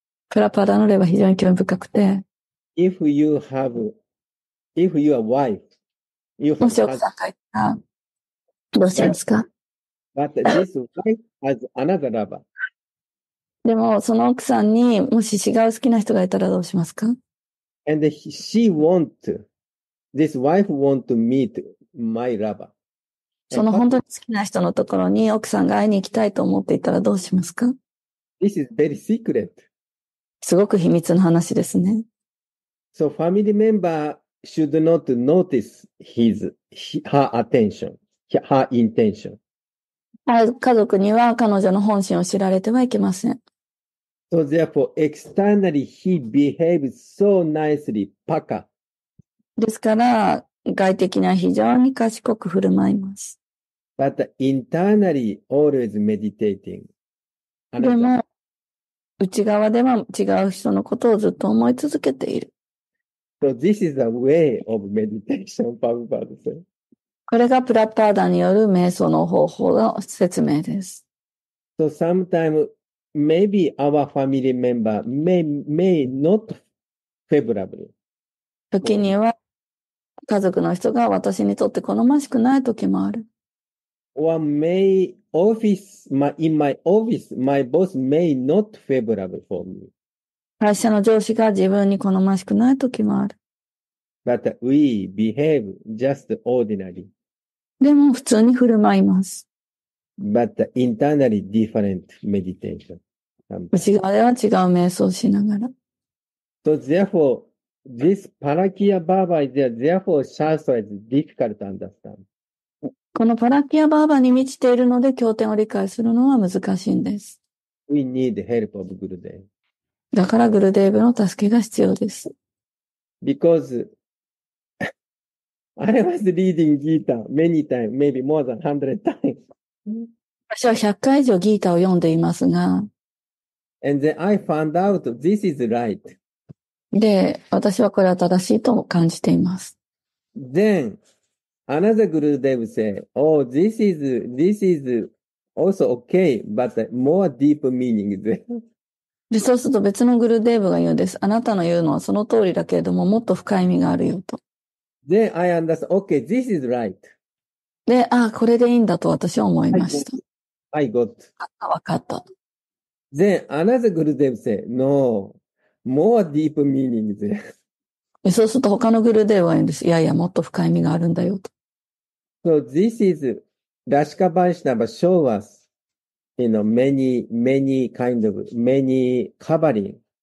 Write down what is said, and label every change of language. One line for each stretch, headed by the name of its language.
Japanese: Prabhupada の例は非常に興味深くて。
English: If your wife, you have.
Japanese: もしお母さんがいたら、どうしますか
English: ?But this wife has another lover.
Japanese: でも、その奥さんに、もし違う好きな人がいたらどうしますか
English: ?And she want, this wife want to meet my lover.
Japanese: その本当に好きな人のところに奥さんが会いに行きたいと思っていたらどうしますか
English: ?This is very secret.
Japanese: すごく秘密の話ですね。
English: So family member should not notice her attention, her intention.
Japanese: 家族には彼女の本心を知られてはいけません。
English: So therefore, externally, he behaves so nicely, paka.
Japanese: ですから、外的には非常に賢く振る舞います。
English: But internally, always meditating.
Japanese: でも、内側では違う人のことをずっと思い続けている。
English: So this is a way of meditation, Prabhupada said.
Japanese: これがプラッパーダによる瞑想の方法の説明です。
English: So sometimes,Maybe our family member may not favorable.
Japanese: 時には家族の人が私にとって好ましくない時もある。
English: Or may office, my, in my office, my boss may not favorable for me.
Japanese: 会社の上司が自分に好ましくない時もある。
English: But we behave just ordinary.
Japanese: でも普通に振る舞います。
English: But internally different meditation.
Japanese: 内側では違う瞑想しながら。
English: So therefore, this Parakya Baba is there, therefore Shastra is difficult to understand.
Japanese: このParakya Babaに満ちているので経典を理解するのは難しいんです。
English: We need help of Gurudev.
Japanese: だからグルデーブの助けが必要です。
English: Because I was reading Gita many times, maybe more than 100 times.
Japanese: 私は100回以上ギータを読んでいますが。
English: And then I found out this is right.
Japanese: で、私はこれは正しいと感じています。
English: Then, another Gurudev said, oh, this is also okay, but more deep meaning there.
Japanese: で、そうすると別のグルデーブが言うんです。あなたの言うのはその通りだけれども、もっと深い意味があるよと。
English: Then I understand, okay, this is right.
Japanese: で、ああ、これでいいんだと私は思いました。
English: I got.
Japanese: わかった。
English: Then, another Gurudev said, no, more deep meaning there.
Japanese: そうすると他のグルデーは言うんです。いやいや、もっと深い意味があるんだよと。
English: So this is Rashika Vaishnava show us, you know, many, many kind of, many covering.